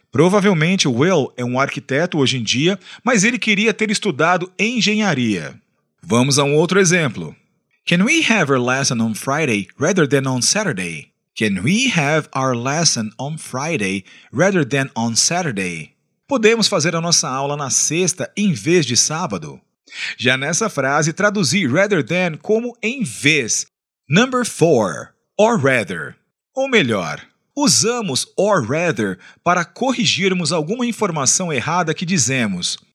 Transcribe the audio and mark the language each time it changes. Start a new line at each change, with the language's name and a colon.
Portuguese: Provavelmente, Will é um arquiteto hoje em dia, mas ele queria ter estudado engenharia. Vamos a um outro exemplo.
English: Can we have our lesson on Friday rather than on Saturday? Can we have our lesson on Friday rather than on Saturday?
Portuguese: Podemos fazer a nossa aula na sexta em vez de sábado? Já nessa frase, traduzi rather than como em vez.
English: Number 4. Or rather.
Portuguese: Ou melhor, usamos or rather para corrigirmos alguma informação errada que dizemos.